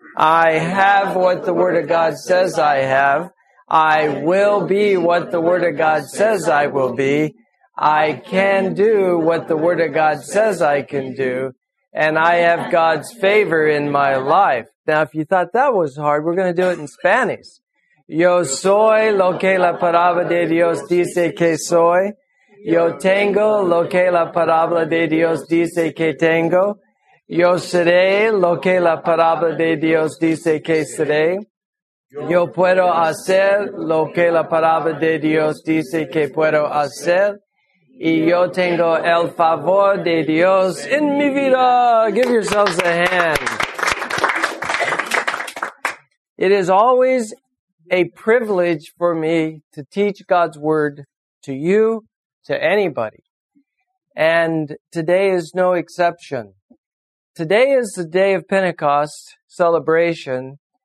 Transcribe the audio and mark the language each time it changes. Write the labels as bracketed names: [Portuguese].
[English] I have what the Word of God says I have. I will be what the Word of God says I will be. I can do what the Word of God says I can do. And I have God's favor in my life. Now, if you thought that was hard, we're going to do it in Spanish. [Spanish] Yo soy lo que la palabra de Dios dice que soy. Yo tengo lo que la palabra de Dios dice que tengo. Yo seré lo que la palabra de Dios dice que seré. Yo puedo hacer lo que la palabra de Dios dice que puedo hacer. Y yo tengo el favor de Dios en mi vida. [English] Give yourselves a hand. It is always a privilege for me to teach God's word to you, to anybody. And today is no exception. Today is the day of Pentecost celebration.